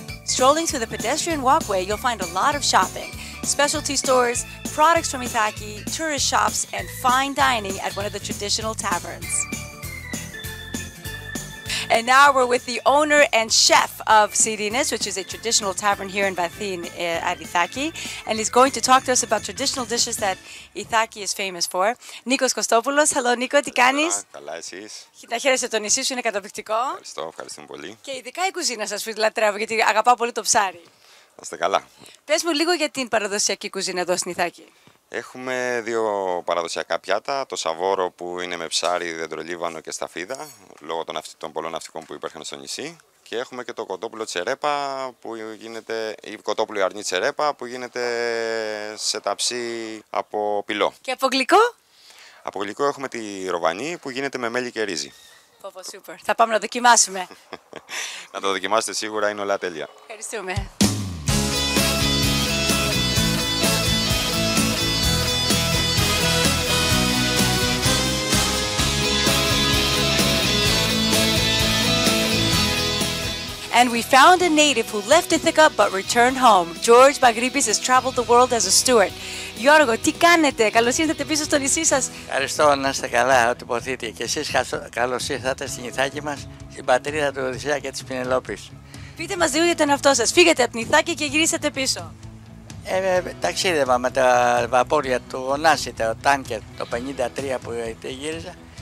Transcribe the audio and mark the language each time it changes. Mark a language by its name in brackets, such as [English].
[English] Strolling through the pedestrian walkway, you'll find a lot of shopping, specialty stores, products from Ithaca, tourist shops, and fine dining at one of the traditional taverns. And now we're with the owner and chef of Sirines, which is a traditional tavern here in Vathy at Ithaca, and he's going to talk to us about traditional dishes that Ithaca is famous for. Nikos Kostopoulos, hello Nico, [Greek] τι κάνεις? Καλά εσείς. Να χαίρεσαι το νησί σου, είναι καταπληκτικό. Ευχαριστώ, ευχαριστούμε πολύ. Και ειδικά η κουζίνα σας που λατρεύω, γιατί αγαπάω πολύ το ψάρι. Είστε καλά. Πες μου λίγο για την παραδοσιακή κουζίνα εδώ στην Ιθάκη. Έχουμε δύο παραδοσιακά πιάτα, το σαβόρο που είναι με ψάρι, δεντρολίβανο και σταφίδα, λόγω των, των πολλών ναυτικών που υπήρχαν στο νησί. Και έχουμε και το κοτόπουλο τσερέπα, που γίνεται, ή κοτόπουλο αρνί τσερέπα, που γίνεται σε ταψί από πυλό. Και από γλυκό? Από γλυκό έχουμε τη ροβανή, που γίνεται με μέλι και ρύζι. Πόπο, σούπερ. Θα πάμε να δοκιμάσουμε. Να το δοκιμάσετε σίγουρα, είναι όλα τέλεια. Ευχαριστούμε. [English] And we found a native who left Ithaca but returned home. George Bagripis has traveled the world as a steward. [Greek] Γιώργο, τι κάνετε? Καλώς ήρθατε πίσω στο νησί σας. Ευχαριστώ, να είστε καλά, ό,τι ποθείτε. Και εσείς καλώς ήρθατε στην Ιθάκη μας, στην πατρίδα του Οδυσσέα και της Πινελόπης. Πείτε μας λίγο για τον εαυτό σας. Φύγετε από την Ιθάκη και γυρίσατε πίσω. Ταξίδευα με τα βαπόρια του Ωνάση, το τάνκερ, το 53 που γύριζα.